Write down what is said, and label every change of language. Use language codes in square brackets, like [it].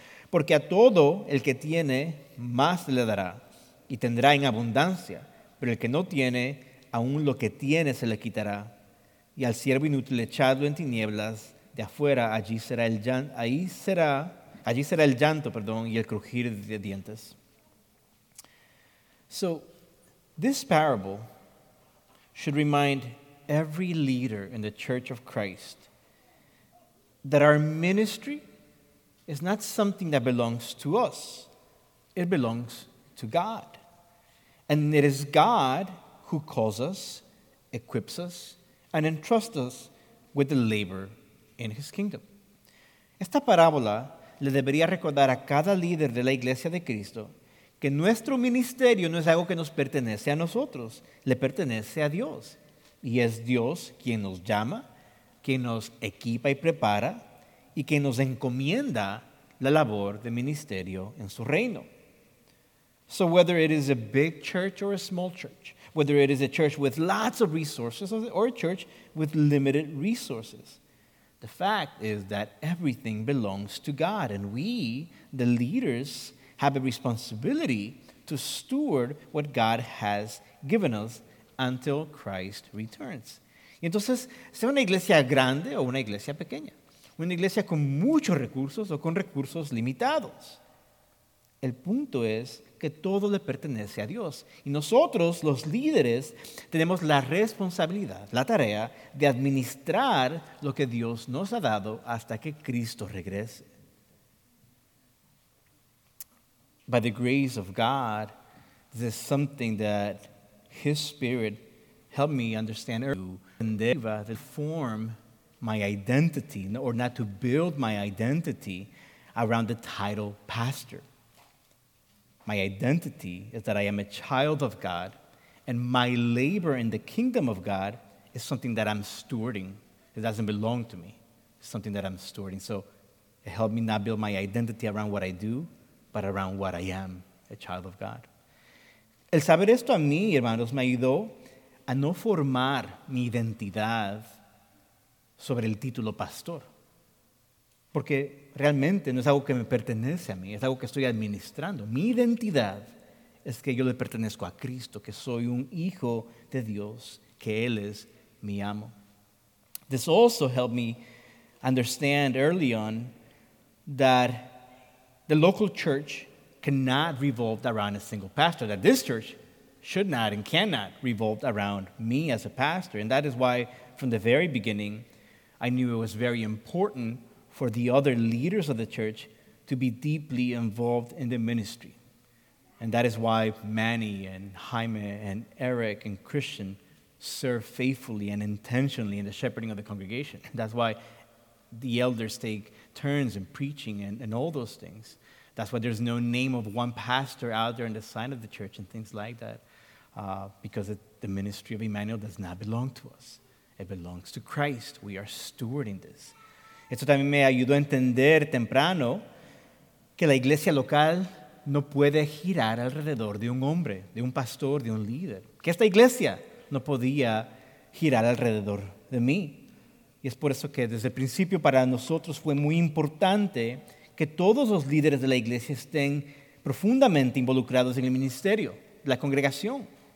[es] Porque a todo el que tiene, más le dará y tendrá en abundancia. Pero el que no tiene, aún lo que tiene se le quitará. Y al siervo inútil, echadlo en tinieblas de afuera. Allí será el llanto, y el crujir de dientes. [en] So, this parable should remind every leader in the Church of Christ that our ministry is not something that belongs to us. It belongs to God. And it is God who calls us, equips us, and entrusts us with the labor in His kingdom. [es] Esta parábola le debería recordar a cada líder de la Iglesia de Cristo que nuestro ministerio no es algo que nos pertenece a nosotros, le pertenece a Dios. Y es Dios quien nos llama, quien nos equipa y prepara, y quien nos encomienda la labor de ministerio en su reino. [en] So whether it is a big church or a small church, whether it is a church with lots of resources or a church with limited resources, the fact is that everything belongs to God, and we, the leaders, have a responsibility to steward what God has given us until Christ returns. [es] Y entonces, sea una iglesia grande o una iglesia pequeña, una iglesia con muchos recursos o con recursos limitados, el punto es que todo le pertenece a Dios. Y nosotros, los líderes, tenemos la responsabilidad, la tarea de administrar lo que Dios nos ha dado hasta que Cristo regrese. [en] By the grace of God, this is something that His Spirit helped me understand earlier, to form my identity, or not to build my identity around the title pastor. My identity is that I am a child of God, and my labor in the kingdom of God is something that I'm stewarding. It doesn't belong to me. It's something that I'm stewarding. So it helped me not build my identity around what I do, but around what I am, a child of God. [es] El saber esto a mí, hermanos, me ayudó a no formar mi identidad sobre el título pastor. Porque realmente no es algo que me pertenece a mí, es algo que estoy administrando. Mi identidad es que yo le pertenezco a Cristo, que soy un hijo de Dios, que Él es mi amo. [en] This also helped me understand early on that the local church cannot revolve around a single pastor, that this church should not and cannot revolve around me as a pastor. And that is why, from the very beginning, I knew it was very important for the other leaders of the church to be deeply involved in the ministry. And that is why Manny and Jaime and Eric and Christian serve faithfully and intentionally in the shepherding of the congregation. That's why the elders take turns in preaching and all those things. That's why there's no name of one pastor out there on the sign of the church and things like that, because the ministry of Emmanuel does not belong to us. It belongs to Christ. We are stewarding this. [es] Esto también me ayudó a entender temprano que la iglesia local no puede girar alrededor de un hombre, de un pastor, de un líder. Que esta iglesia no podía girar alrededor de mí. Y es por eso que desde el principio para nosotros fue muy importante que todos los líderes de la iglesia estén profundamente involucrados en el ministerio, la congregación.